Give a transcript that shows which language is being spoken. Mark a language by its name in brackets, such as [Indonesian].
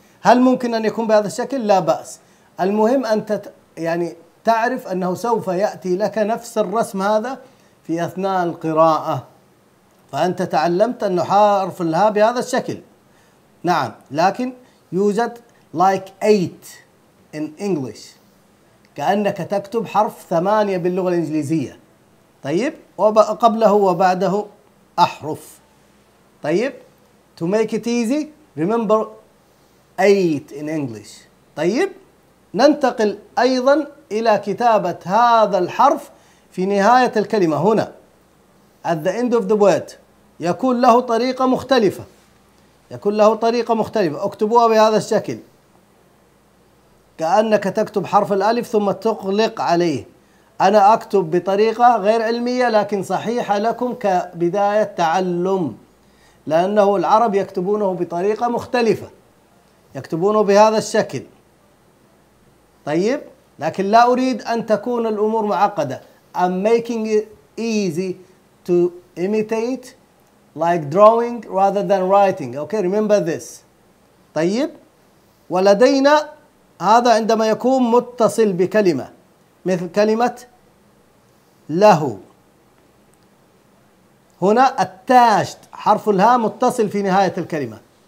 [Arabic] هل ممكن أن يكون بهذا الشكل؟ لا بأس. المهم أن يعني تعرف أنه سوف يأتي لك نفس الرسم هذا في أثناء القراءة. فأنت تعلمت أن حرف الهاء بهذا الشكل. نعم. لكن يوجد [English] like eight in English. [Arabic] كأنك تكتب حرف ثمانية باللغة الإنجليزية. طيب. وقبله وبعده أحرف. طيب. [English] To make it easy, remember eight in English. [Arabic] طيب. ننتقل أيضا إلى كتابة هذا الحرف في نهاية الكلمة هنا. [English] at the end of the word [Arabic] يكون له طريقة مختلفة. يكون له طريقة مختلفة. اكتبوها بهذا الشكل كأنك تكتب حرف الألف ثم تغلق عليه. أنا أكتب بطريقة غير علمية لكن صحيحة لكم كبداية تعلم، لأنه العرب يكتبونه بطريقة مختلفة، يكتبونه بهذا الشكل. طيب، لكن لا أريد أن تكون الأمور معقدة. [English] I'm making it easy to imitate like drawing rather than writing. Okay, remember this. [Arabic] طيب، ولدينا هذا عندما يكون متصل بكلمة مثل كلمة له. هنا attached، حرف الهاء متصل في نهاية الكلمة.